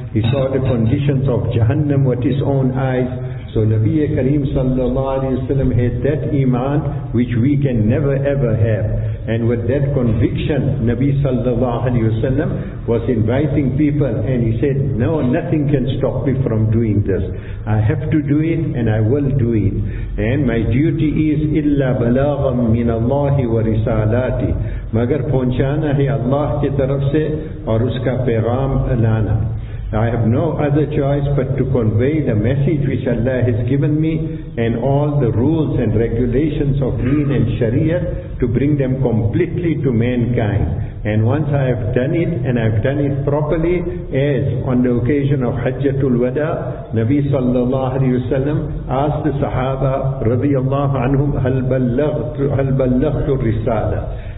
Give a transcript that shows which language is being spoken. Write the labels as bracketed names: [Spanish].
[English] He saw the conditions of Jahannam with his own eyes. So Nabi Kareem sallallahu alayhi wa sallam had that iman which we can never ever have. And with that conviction, Nabi sallallahu alayhi wa sallam was inviting people, and he said, no, nothing can stop me from doing this. I have to do it and I will do it. And my duty is [Arabic] إِلَّا بَلَاغًا مِّنَ اللَّهِ وَرِسَالَاتِ [Urdu] مَگر پہنچانا ہے اللہ کے طرف سے اور اس کا پیغام لانا. [English] I have no other choice but to convey the message which Allah has given me and all the rules and regulations of Deen and Sharia to bring them completely to mankind. And once I have done it, and I have done it properly, as on the occasion of Hajjatul Wada, Nabi sallallahu alayhi wa sallam asked the Sahaba radiallahu anhum, [Arabic] hal ballaghtu risala?